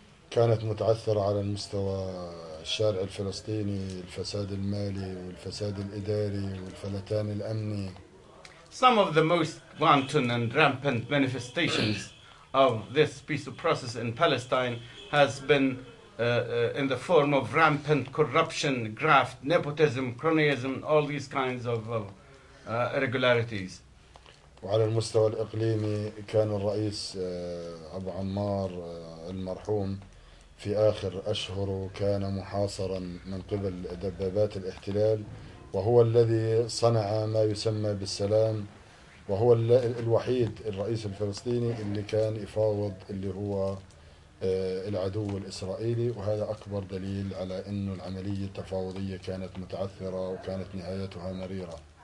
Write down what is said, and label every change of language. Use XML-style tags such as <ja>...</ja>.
<ar>كانت متعثرة على المستوى الشارع الفلسطيني، الفساد المالي والفساد الإداري والفلتان الأمني.</ar> <en>Some of the most wanton and rampant manifestations of this peace process in Palestine has been in the form of rampant corruption, graft, nepotism, cronyism, all these kinds of irregularities.</en> <ar>وعلى المستوى الإقليمي كان الرئيس أبو عمار المرحوم في آخر أشهره كان محاصرا من قبل دبابات الاحتلال وهو الذي صنع ما يسمى بالسلام وهو الوحيد الرئيس الفلسطيني اللي كان يفاوض اللي هو العدو الإسرائيلي وهذا أكبر دليل على إنه العملية التفاوضية كانت متعثرة وكانت نهايتها مريرة.</ar>